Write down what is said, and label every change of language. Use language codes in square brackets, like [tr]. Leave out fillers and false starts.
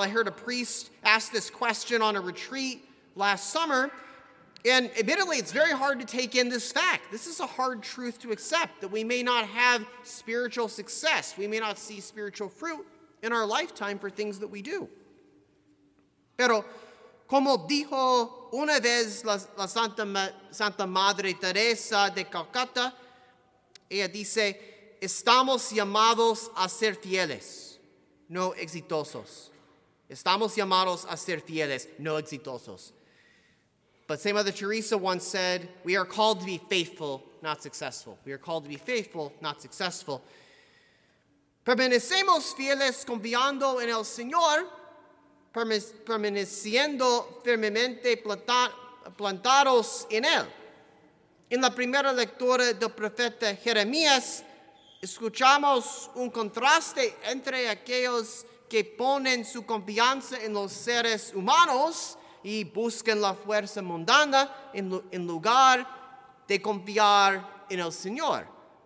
[en] I heard a priest ask this question on a retreat last summer. And admittedly, it's very hard to take in this fact. This is a hard truth to accept, that we may not have spiritual success. We may not see spiritual fruit in our lifetime for things that we do. [es] Pero, como dijo una vez la Santa Madre Teresa de Calcuta, ella dice, estamos llamados a ser fieles, no exitosos. Estamos llamados a ser fieles, no exitosos. [en] But St. Mother Teresa once said, we are called to be faithful, not successful. We are called to be faithful, not successful. [es] Permanecemos fieles confiando en el Señor, permaneciendo firmemente plantados en él. En la primera lectura del profeta Jeremías, escuchamos un contraste entre aquellos que ponen su confianza en los seres humanos y buscan la fuerza mundana en lugar de confiar en el Señor.